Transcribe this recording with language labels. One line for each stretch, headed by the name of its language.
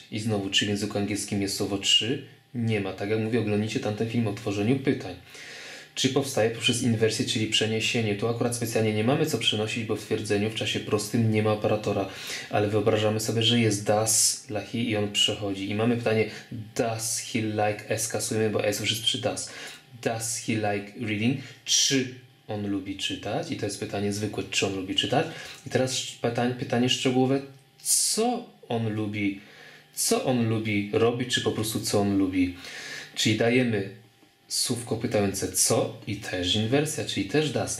Polish: I znowu, czy w języku angielskim jest słowo czy? Nie ma. Tak jak mówię, oglądnijcie tamten film o tworzeniu pytań. Czy powstaje poprzez inwersję, czyli przeniesienie? Tu akurat specjalnie nie mamy co przenosić, bo w twierdzeniu w czasie prostym nie ma operatora. Ale wyobrażamy sobie, że jest does dla he i on przechodzi. I mamy pytanie,
English: does he like s?
Polish: Kasujemy, bo s już jest przy does.
English: Does he like reading?
Polish: Czy on lubi czytać? I to jest pytanie zwykłe, czy on lubi czytać? I teraz pytanie szczegółowe, co on lubi, co on lubi robić, czy po prostu co on lubi. Czyli dajemy słówko pytające co i też inwersja, czyli też does.